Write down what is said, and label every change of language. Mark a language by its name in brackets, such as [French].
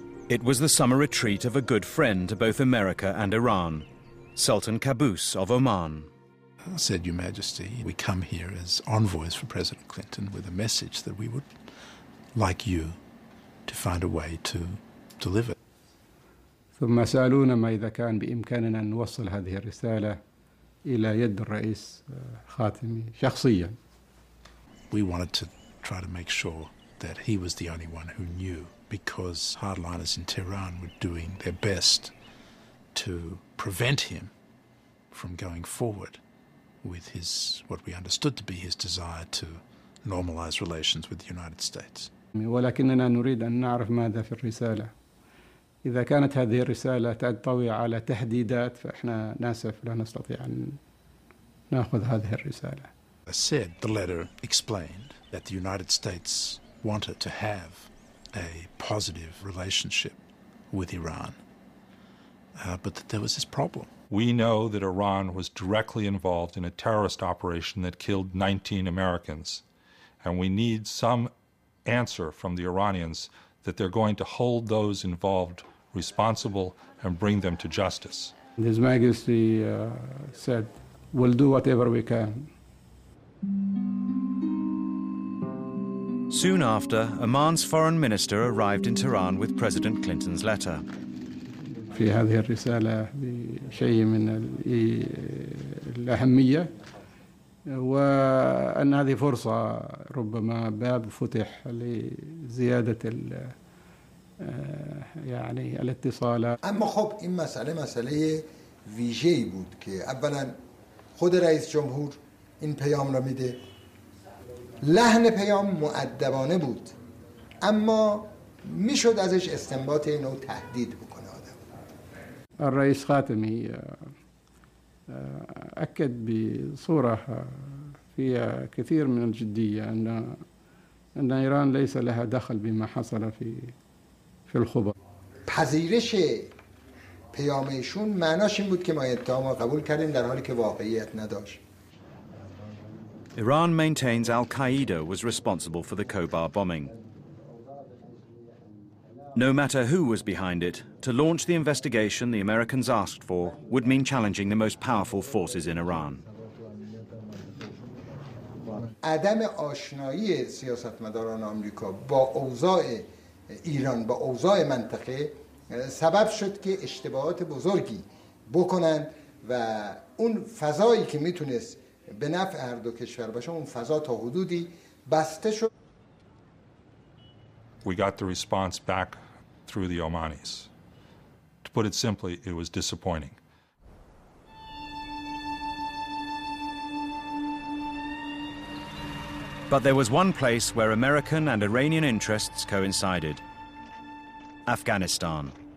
[English] It was the summer retreat of a good friend to both America and Iran, Sultan Qaboos of Oman. I said, Your Majesty, we come here as envoys for President Clinton with a message that we would like you to find a way to deliver. [Arabic] ثم سألونا ما إذا كان بإمكاننا أن نوصل هذه الرسالة إلى يد الرئيس خاتمي شخصيا. [English] We wanted to try to make sure that he was the only one who knew, because hardliners in Tehran were doing their best to prevent him from going forward with his, what we understood to be his desire to normalize relations with the United States. [Arabic] ولكننا نريد أن نعرف ماذا في الرسالة. إذا كانت هذه الرسالة تنطوي على تهديدات فإحنا ناسف لا نستطيع أن نأخذ هذه الرسالة. [English] I said the letter explained that the United States wanted to have a positive relationship with Iran, but that there was this problem. We know that Iran was directly involved in a terrorist operation that killed 19 Americans, and we need some answer from the Iranians that they're going to hold those involved responsible and bring them to justice. His Majesty said, we'll do whatever we can. Soon after, Oman's foreign minister arrived in Tehran with President Clinton's letter. [Arabic] في هذه الرسالة شيء من الأهمية وأن هذه فرصة ربما باب فتح لزيادة يعني الاتصال [Persian] اما خب این مسئله مسئله ویژه‌ای بود که اولا خود رئیس جمهور این پیام را میده لحن پیام مؤدبانه بود اما میشد ازش استنباط اینو تهدید بکنه آدم الرئیس خاتمی [Arabic] أكد بصورة فيها كثير من الجدية أن إيران ليس لها دخل بما حصل في الخبر. [Persian] پذیرش پیام ایشون معناش این بود که ما اتهام را قبول کردیم در حالی که واقعیت نداشت. [English] Iran maintains Al-Qaeda was responsible for the Khobar bombing. No matter who was behind it, to launch the investigation the Americans asked for would mean challenging the most powerful forces in Iran. [Persian] عدم آشنایی سیاستمداران آمریکا با اوضاع ایران با اوضاع منطقه سبب شد که اشتباهات بزرگی بکنن و اون فضایی که میتونست به نفع هر دو کشور باشه اون فضا تا حدودی بسته شد. [English] We got the response back through the Omanis. To put it simply, it was disappointing. But there was one place where American and Iranian interests coincided. Afghanistan.